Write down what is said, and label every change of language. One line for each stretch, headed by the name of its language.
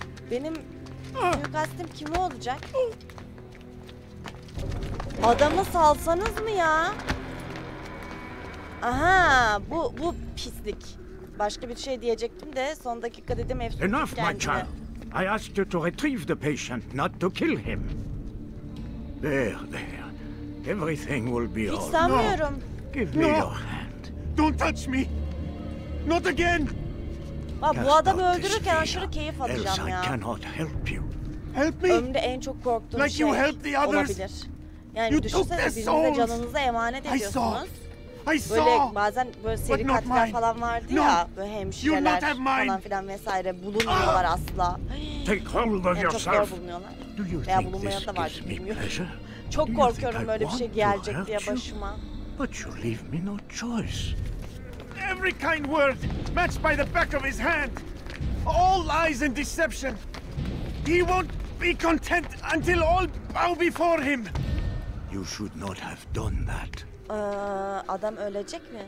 Turkish: Benim suikastim kim olacak? Adamı salsanız mı ya? Aha, bu pislik. Başka bir şey diyecektim de son dakika dedim hep.
English: Enough, my child. I asked you to retrieve the patient, not to kill him. There, there. Everything will be all.
Turkish: Hiç sanmıyorum.
English: No. Give me your hand. Don't touch me. Not again.
Turkish: Bak, bu adamı öldürürken aşırı keyif alacağım ya.
English: I cannot help you. Help me.
Turkish: Ömrümde en çok korktuğum like şey.
English: Like you helped the others.
Turkish: Olabilir. Yani düşünsene, birinin de canınıza emanet ediyorsunuz. Böyle bazen böyle seri katiller falan vardı ya, böyle hemşireler falan filan vesaire bulunmuyorlar asla.
English: Take hold of yourself.
Turkish: Çok zor bulunuyorlar. Veya bulunmayan da var bilmiyorum. Çok korkuyorum böyle bir şey gelecek diye başıma.
English: But you leave me no choice. Every kind word matched by the back of his hand. All lies and deception. He won't be content until all bow before him. You should not have done that.
Turkish: Adam ölecek mi?